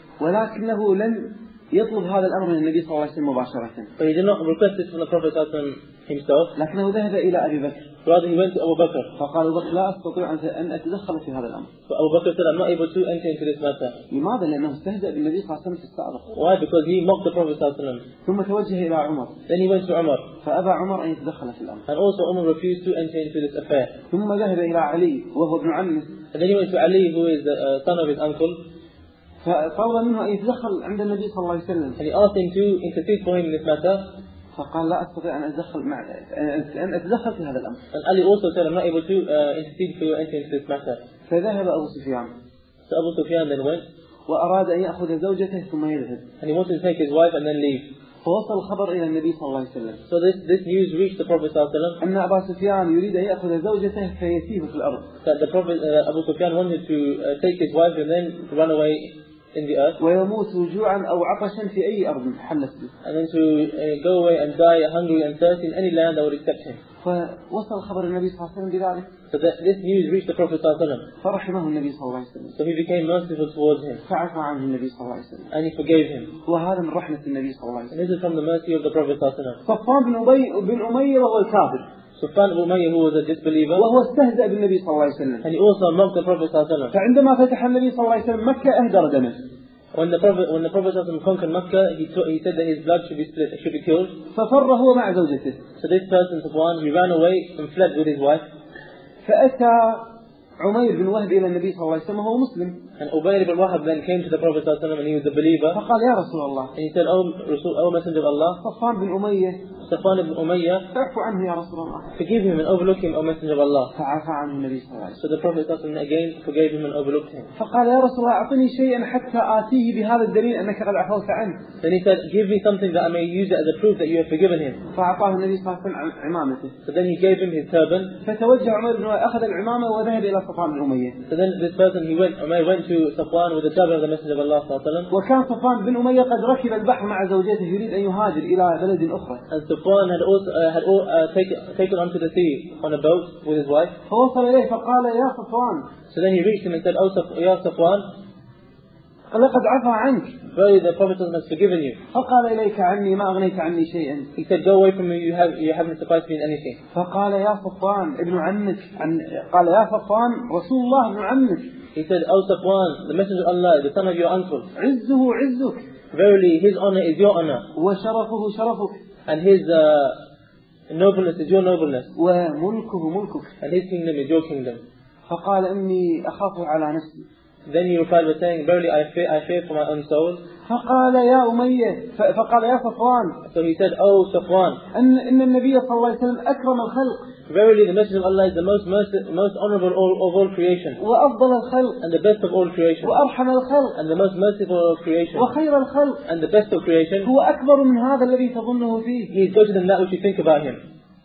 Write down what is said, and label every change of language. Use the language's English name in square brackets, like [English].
[Arabic] ولكنه لم يطلب هذا الأمر من النبي صلى الله عليه وسلم مباشرة. [English] But he did not request this from the Prophet [Arabic] صلى الله عليه وسلم [English] himself. [Arabic] لكنه ذهب إلى أبي بكر. [English] Rather he went to Abu Bakr. [Arabic] فقال أبو بكر لا أستطيع أن أتدخل في هذا الأمر. [English] But Abu Bakr said, "I'm not able to enter into this matter." [Arabic] لماذا؟ لأنه استهزأ بالنبي صلى الله عليه وسلم السابق. [English] Why? Because he mocked the Prophet [Arabic] صلى الله عليه وسلم. ثم توجه إلى عمر. [English] Then he went to عمر. [Arabic] فأبى عمر أن يتدخل في الأمر. [English] And also Umar refused to enter into this affair. [Arabic] ثم ذهب إلى علي وهو ابن عمه. [English] And then he went to Ali, who is the son of his uncle. [Arabic] فطلب منه أن يتدخل عند النبي صلى الله عليه وسلم. [English] And he asked him to intercede for him in this matter. [Arabic] فقال لا أستطيع أن أتدخل مع أن أتدخل في هذا الأمر. [English] And Ali also said, "I'm not able to intercede for you in this matter." [Arabic] فذهب أبو سفيان. [English] So Abu Sufyan then went. [Arabic] وأراد أن يأخذ زوجته ثم يذهب. [English] And he wanted to take his wife and then leave. [Arabic] فوصل الخبر إلى النبي صلى الله عليه وسلم. [English] So this news reached the Prophet [Arabic] صلى الله عليه وسلم. أن أبا سفيان يريد أن يأخذ زوجته فيسيب في الأرض. [English] That the Prophet Abu Sufyan wanted to take his wife and then run away in the earth. [Arabic] ويموت جوعا أو عطشا في أي أرض حلت له. [English] And then to go away and die hungry and thirsty in any land that would accept him. [Arabic] فوصل خبر النبي صلى الله عليه وسلم بذلك. [English] So that this news reached the Prophet [Arabic] صلى الله عليه وسلم. فرحمه النبي صلى الله عليه وسلم. [English] So he became merciful towards him. [Arabic] فعفى عنه النبي صلى الله عليه وسلم. [English] And he forgave him. [Arabic] وهذا من رحمة النبي صلى الله عليه وسلم. [English] And this is from the mercy of the Prophet [Arabic] صلى الله عليه وسلم. صفان بن أمية وهو الكافر. صفان بن أمية هو [English] the disbeliever. [Arabic] وهو استهزأ بالنبي صلى الله عليه وسلم. [English] And he also mocked the Prophet صلى الله عليه وسلم. [Arabic] فعندما فتح النبي صلى الله عليه وسلم مكة أهدر دمه. [English] When the Prophet [Arabic] صلى الله عليه وسلم [English] conquered Mecca, he said that his blood should be split, should be killed. [Arabic] ففر هو مع زوجته. [English] So this person, Safwan, he ran away and fled with his wife. [Arabic] فأتى عمير بن وهب إلى النبي صلى الله عليه وسلم وهو مسلم. [English] And Ubayr ibn Wahab then came to the Prophet [Arabic] صلى الله عليه وسلم [English] and he was a believer. [Arabic] فقال يا رسول الله. [English] And he said, Oh Messenger of Allah. [Arabic] صفان بن أمية. صفان بن أمية. اعفو عنه يا رسول الله. [English] Forgive him and overlook him, Oh Messenger of Allah. [Arabic] فعفى عنه النبي صلى الله عليه وسلم. [English] So the Prophet [Arabic] صلى الله عليه وسلم [English] again forgave him and overlooked him. [Arabic] فقال يا رسول الله أعطني شيئا حتى آتيه بهذا الدليل أنك قد عفوت عنه. [English] Then he said, "Give me something that I may use it as a proof that you have forgiven him." [Arabic] فأعطاه النبي صلى الله عليه وسلم عمامته. [English] So then he gave him his turban. [Arabic] فتوجه عمر بن أخذ العمامة وذهب إلى صفان بن أمية. [English] So then this person he went to Safwan with the turban of the Messenger of Allah [Arabic] صلى الله عليه وسلم. وكان صفان بن أمية قد ركب البحر مع زوجته يريد أن يهاجر إلى بلد أخرى. [English] And Safwan had taken onto the sea on a boat with his wife. [Arabic] فوصل إليه فقال يا صفوان. [English] So then he reached him and said, "Oh, يا صفوان." [Arabic] لقد عفى عنك. [English] Verily the Prophet has forgiven you. [Arabic] فقال إليك عني ما أغنيت عني شيئا. [English] He said, go away from me. You haven't sufficed me in anything. [Arabic] فقال يا صفوان ابن عمك عن قال يا صفوان رسول الله ابن عمك. [English] He said, O Safwan, the Messenger of Allah, the son of your uncle. [Arabic] عزه عزك. [English] Verily, his honor is your honor. [Arabic] وشرفه شرفك. [English] And his nobleness is your nobleness. [Arabic] وملكه ملكك. [English] And his kingdom is your kingdom. [Arabic] فقال إني أخاف على نفسي. [English] Then he replied by saying, verily I fear for my own soul. [Arabic] فقال يا أمية فقال يا صفوان. [English] So he said, oh Safwan. [Arabic] إن النبي صلى الله عليه وسلم أكرم الخلق. [English] Verily the Messenger of Allah is the most honorable of all creation. [Arabic] وأفضل الخلق. [English] And the best of all creation. [Arabic] وأرحم الخلق. [English] And the most merciful of all creation. [Arabic] وخير الخلق. [English] And the best of creation. [Arabic] هو أكبر من هذا الذي تظنه فيه. [English] He is greater than that which you think about him.